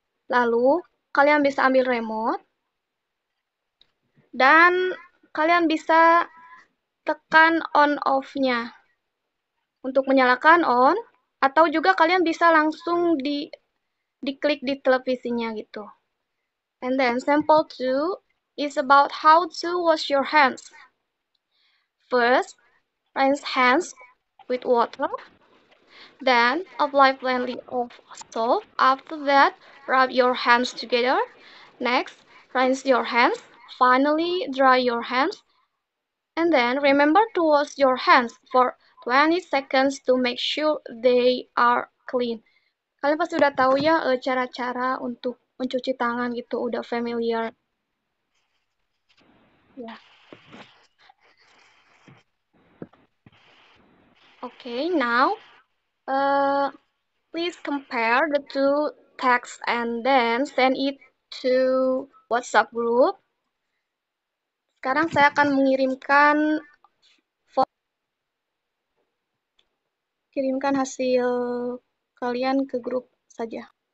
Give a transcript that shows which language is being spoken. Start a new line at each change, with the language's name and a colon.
Indonesian: Lalu kalian bisa ambil remote dan kalian bisa tekan on off-nya untuk menyalakan on, atau juga kalian bisa langsung diklik di televisinya gitu.
English: And then sample 2 is about how to wash your hands. First, rinse hands with water. Then, apply plenty of soap. After that, rub your hands together. Next, rinse your hands. Finally, dry your hands. And then, remember to wash your hands for 20 seconds to make sure they are clean.
Indonesian: Kalian pasti udah tahu ya cara-cara untuk mencuci tangan gitu, udah familiar.
English: Yeah. Okay, now, please compare the two texts and then send it to WhatsApp group.
Indonesian: Sekarang saya akan mengirimkan kirimkan hasil kalian ke grup saja.